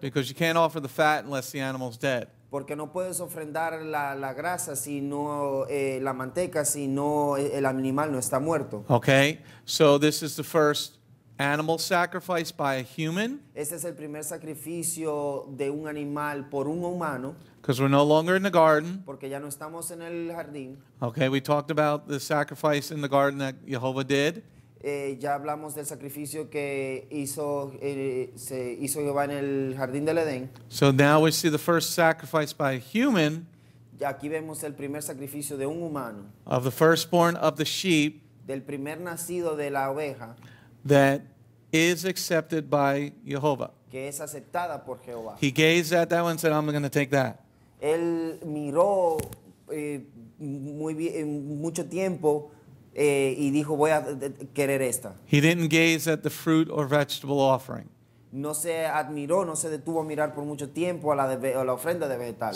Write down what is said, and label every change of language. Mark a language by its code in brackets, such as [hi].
[en] Because you can't offer the fat unless the animal is dead. [es] Porque no puedes ofrendar la grasa si no la manteca si no el animal no está muerto. [en] Okay. So this is the first animal sacrifice by a human. [es] Este es el primer sacrificio de un animal por un humano. [en] Because we're no longer in the garden. [es] Porque ya no estamos en el jardín. [en] Okay, we talked about the sacrifice in the garden that Yehovah did. [es] Ya hablamos del sacrificio que hizo Jehová en el jardín del Edén. [en] So now we see the first sacrifice by a human. [es] Aquí vemos el primer sacrificio de un humano. [en] Of the firstborn of the sheep. [es] Del primer nacido de la oveja. [en] That is accepted by Yehovah. [es] Que es aceptada por Jehová. [en] He gazed at that one and said, I'm going to take that. [es] Él miró muy bien, mucho tiempo y dijo, voy a querer esta. [en] He didn't gaze at the fruit or vegetable offering. [es] No se admiró, no se detuvo a mirar por mucho tiempo a la ofrenda de vegetales.